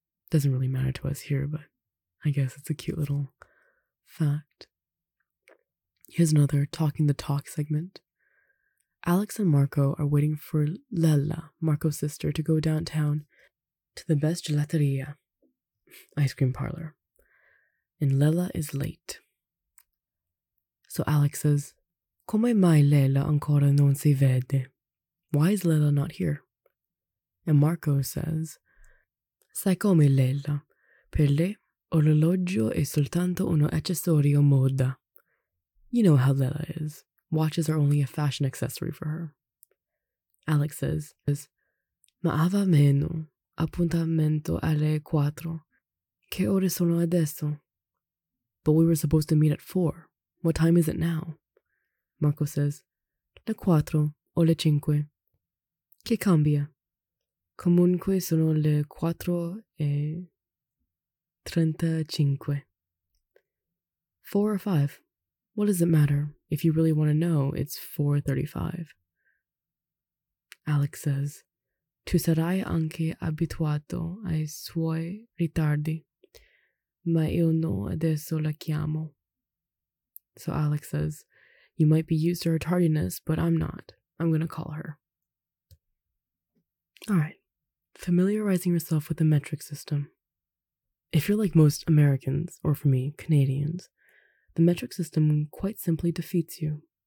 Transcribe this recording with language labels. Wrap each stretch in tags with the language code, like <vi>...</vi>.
<en>Doesn't really matter to us here, but I guess it's a cute little fact. Here's another talking the talk segment. Alex and Marco are waiting for Lella, Marco's sister, to go downtown to the best gelateria, ice cream parlor. And Lella is late. So Alex says,</en> <it>come mai Lella ancora non si vede?</it> <en>Why is Lella not here? And Marco says,</en> <it>sai come Lella? Per lei, orologio è soltanto uno accessorio moda.</it> <en>You know how Lella is. Watches are only a fashion accessory for her. Alex says,</en> <it>ma ava meno. Appuntamento alle 4. Che ore sono adesso?</it> <en>But we were supposed to meet at 4. What time is it now? Marco says,</en> <it>le 4 o le 5. Che cambia? Comunque sono le 4:35.</it> <en>4 or 5? What does it matter? If you really want to know, it's 4:35. Alex says,</en> <it>tu sarai anche abituato ai suoi ritardi, ma io no adesso la chiamo.</it> <en>So Alex says, you might be used to her tardiness, but I'm not. I'm going to call her. All right, familiarizing yourself with the metric system. If you're like most Americans, or for me, Canadians, the metric system quite simply defeats you.</en>